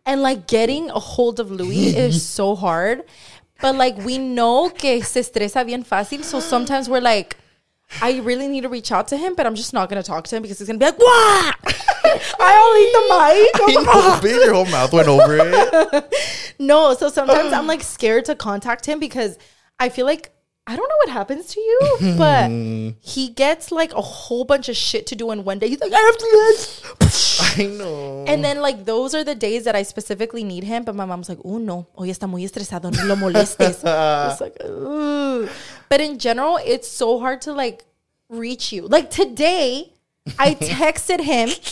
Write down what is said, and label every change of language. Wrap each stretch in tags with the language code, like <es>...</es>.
<en>And like getting a hold of Louis is so hard. But like we know</en> <es>que se estresa bien fácil.</es> <en>So sometimes we're like, I really need to reach out to him, but I'm just not going to talk to him because he's going to be like, what? I don't eat the mic. I know, babe, your whole mouth went over it. No. So sometimes I'm like scared to contact him because I feel like, I don't know what happens to you, but he gets like a whole bunch of shit to do in one day. He's like, I have to do this. I know. And then like those are the days that I specifically need him. But my mom's like, oh no,</en> <es>hoy está muy estresado, no lo molestes.</es> <en>It's like, ugh. But in general, it's so hard to like reach you. Like today, I texted him.</en>